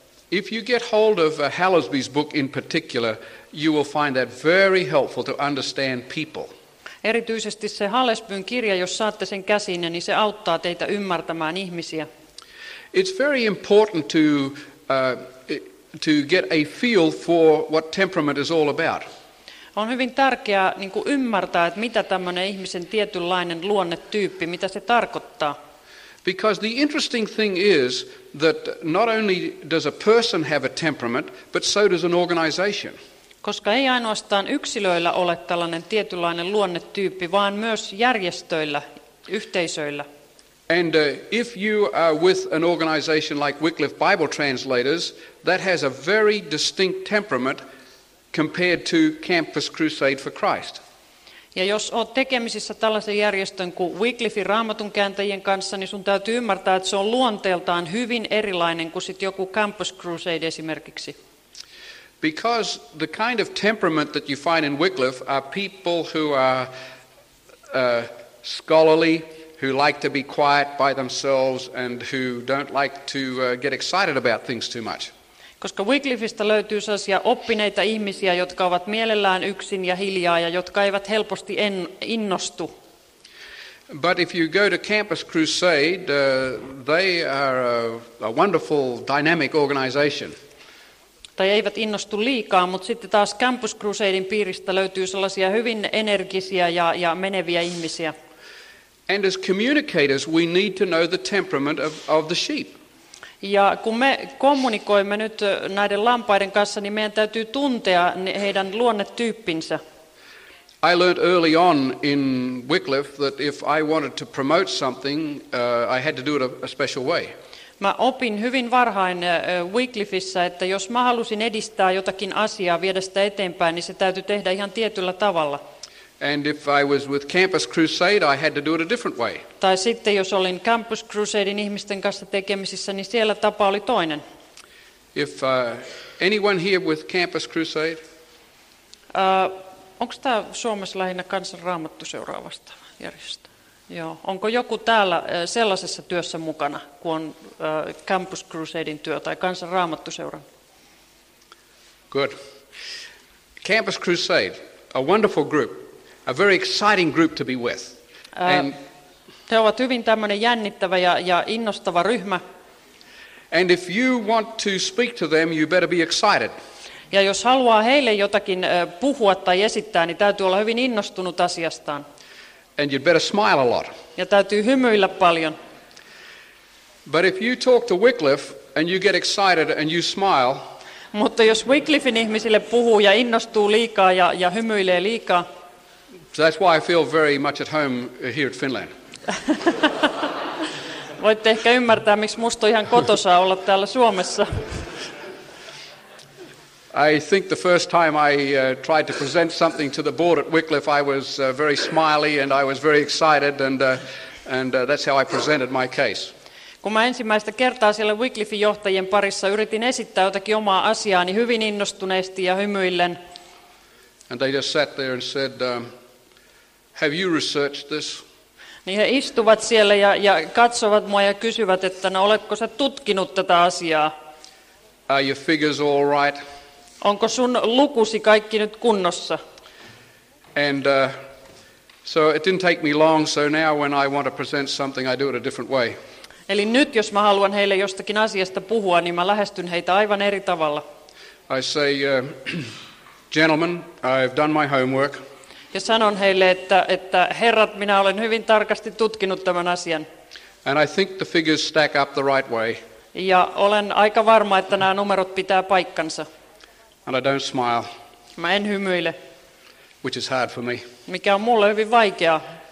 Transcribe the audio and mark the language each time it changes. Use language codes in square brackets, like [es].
[en] If you get hold of Hallesby's book in particular, you will find that very helpful to understand people. [fi] Erityisesti se Hallesbyn kirja, jos saatte sen käsinne, niin se auttaa teitä ymmärtämään ihmisiä. [en] It's very important to get a feel for what temperament is all about. [fi] On hyvin tärkeää niin kuin ymmärtää, että mitä tämmöinen ihmisen tietynlainen luonnetyyppi, mitä se tarkoittaa. [en] Because the interesting thing is that not only does a person have a temperament, but so does an organization. [fi] Koska ei ainoastaan yksilöillä ole tällainen tietynlainen luonnetyyppi, vaan myös järjestöillä, yhteisöillä. [en] And if you are with an organization like Wycliffe Bible Translators, that has a very distinct temperament compared to Campus Crusade for Christ. [fi] Ja jos olet tekemisissä tällaisen järjestön kuin Wycliffein Raamatun kääntäjien kanssa, niin sun täytyy ymmärtää, että se on luonteeltaan hyvin erilainen kuin sit joku Campus Crusade esimerkiksi. [en] Because the kind of temperament that you find in Wycliffe are people who are scholarly, who like to be quiet by themselves and who don't like to get excited about things too much. [fi] Koska Wycliffeista löytyy sellaisia oppineita ihmisiä, jotka ovat mielellään yksin ja hiljaa ja jotka eivät helposti innostu. [en] But if you go to Campus Crusade, they are a wonderful dynamic organization. [fi] Tai eivät innostu liikaa, mutta sitten taas Campus Crusadein piiristä löytyy sellaisia hyvin energisiä ja meneviä ihmisiä. [en] And as communicators we need to know the temperament of the sheep. [fi] Ja kun me kommunikoimme nyt näiden lampaiden kanssa, niin meidän täytyy tuntea heidän luonnetyyppinsä. [en] I learned early on in Wycliffe that if I wanted to promote something, I had to do it a special way. [fi] Mä opin hyvin varhain Wycliffissä, että jos mä halusin edistää jotakin asiaa, viedä sitä eteenpäin, niin se täytyy tehdä ihan tietyllä tavalla. [en] And if I was with Campus Crusade, I had to do it a different way. [fi] Tai sitten jos olin Campus Crusadein ihmisten kanssa tekemisissä, niin siellä tapa oli toinen. [en] If anyone here with Campus Crusade? [fi] Onko tämä Suomessa lähinnä kansanraamattuseuraa vastaava järjestö? Joo. Onko joku täällä sellaisessa työssä mukana, kun on Campus Crusadein työ tai kansanraamattuseuran? [en] Good. Campus Crusade, a wonderful group, a very exciting group to be with. [fi] He ovat hyvin tämmöinen jännittävä ja innostava ryhmä. [en] And if you want to speak to them, you better be excited. [fi] Ja jos haluaa heille jotakin puhua tai esittää, niin täytyy olla hyvin innostunut asiastaan. [en] And you'd better smile a lot. [fi] Ja täytyy hymyillä paljon. [en] But if you talk to Wycliffe and you get excited and you smile. [fi] Mutta jos Wycliffen ihmisille puhuu ja innostuu liikaa ja hymyilee liikaa. [en] So that's why I feel very much at home here at Finland. [fi] Voitte ehkä ymmärtää, miksi musta on ihan kotosaa olla täällä Suomessa. [en] I think the first time I tried to present something to the board at Wycliffe, I was very smiley and I was very excited, and that's how I presented my case. [fi] Kun mä ensimmäistä kertaa siellä Wycliffen johtajien parissa yritin esittää jotakin omaa asiaani hyvin innostuneesti ja hymyillen. [en] And they just sat there and said, have you researched this? [fi] Niin he istuvat siellä ja katsovat mua ja kysyvät, että no, oletko sä tutkinut tätä asiaa? [en] Are your figures all right? [fi] Onko sun lukusi kaikki nyt kunnossa? [en] And so it didn't take me long, so now when I want to present something I do it a different way. [fi] Eli nyt jos mä haluan heille jostakin asiasta puhua, niin mä lähestyn heitä aivan eri tavalla. [en] I say gentlemen, I've done my homework. [fi] Ja sanon heille että herrat, minä olen hyvin tarkasti tutkinut tämän asian. [en] And I think the figures stack up the right way. [fi] Ja olen aika varma, että nämä numerot pitää paikkansa. [en] And I don't smile. [fi] Mä en hymyile. [en] Which is hard for me. [fi] Mikä on mulle hyvin vaikeaa.